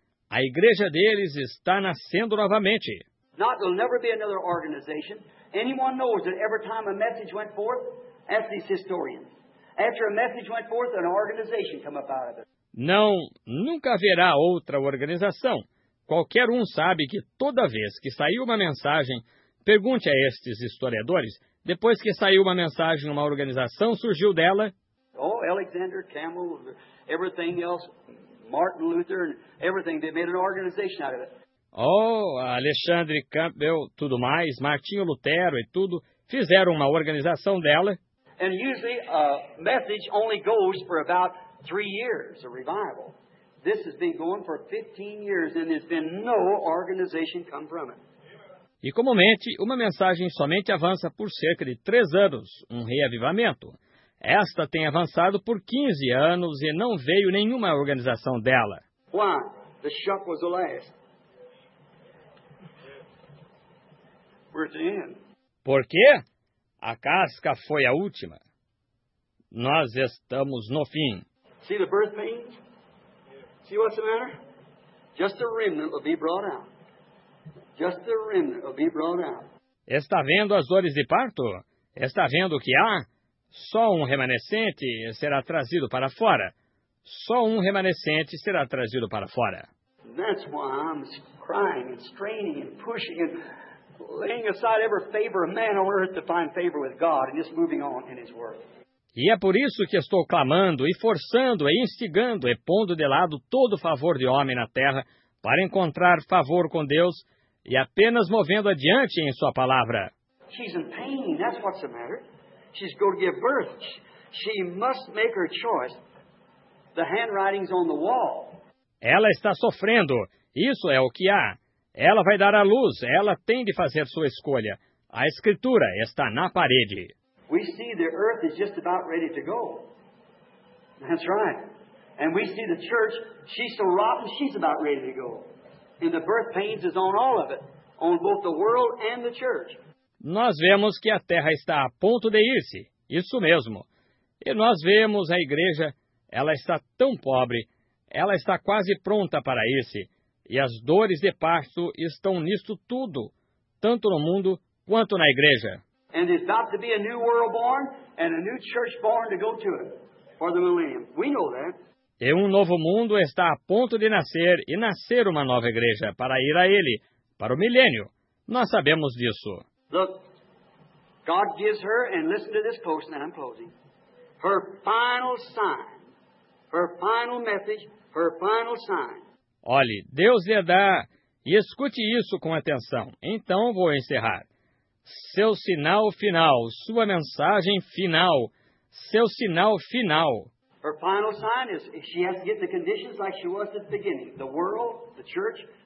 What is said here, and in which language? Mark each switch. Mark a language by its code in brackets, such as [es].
[pt] A igreja deles está nascendo novamente. Não, [en] there'll never be another organization. Anyone knows that every time a message went forth, ask these historians. After a message went forth, an organization came up out of it. [pt] Não, nunca haverá outra organização. Qualquer um sabe que toda vez que saiu uma mensagem, pergunte a estes historiadores, depois que saiu uma mensagem, uma organização surgiu dela. [en] Oh, Alexander Campbell, everything else, Martin Luther, and everything, they made an organization out of it. [pt] Oh, Alexandre Campbell, tudo mais, Martinho Lutero e tudo, fizeram uma organização dela. [en] And usually a message only goes for about 3 years, a revival. This has been going for 15 years and there's been no organization come from it. [pt] E comumente, uma mensagem somente avança por cerca de 3 anos, um reavivamento. Esta tem avançado por 15 anos e não veio nenhuma organização dela. [en] Why? The shock was the last. [pt] Por quê? A casca foi a última. Nós estamos no fim. [en] See the birth pains? See what's the matter? Just a remnant will be brought out. Just a remnant will be brought out. [pt] Está vendo as dores de parto? Está vendo o que há? Só um remanescente será trazido para fora. só um remanescente será trazido para fora. [en] That's why I'm crying and straining and pushing and laying aside every favor of man on earth to find favor with God and just moving on in His work. [pt] E é por isso que estou clamando e forçando e instigando e pondo de lado todo o favor de homem na terra para encontrar favor com Deus e apenas movendo adiante em sua palavra. [en] She's in pain, that's what's the matter. She's going to give birth. She must make her choice. The handwriting's on the wall. [pt] Ela está sofrendo. Isso é o que há. Ela vai dar à luz. Ela tem de fazer sua escolha. A escritura está na parede. [en] We see the earth is just about ready to go. That's right. And we see the church, she's so rotten, she's about ready to go. And the birth pains is on all of it, on both the world and the church. [pt] Nós vemos que a terra está a ponto de ir-se. Isso mesmo. E nós vemos a igreja, ela está tão pobre, ela está quase pronta para ir-se. E as dores de parto estão nisto tudo, tanto no mundo quanto na igreja. [en] And there's about to be a new world born and a new church born to go to it for the millennium. We know that. [pt] E um novo mundo está a ponto de nascer e nascer uma nova igreja para ir a ele, para o milênio. Nós sabemos disso. [en] Look, God gives her, and listen to this post, and I'm closing, her final sign, her final message, her final sign. [pt] Olhe, Deus lhe dá, e escute isso com atenção. Então vou encerrar. Seu sinal final, sua mensagem final, seu sinal final. [en] Her final sign is she has to get the conditions like she was at the beginning, the world, the church.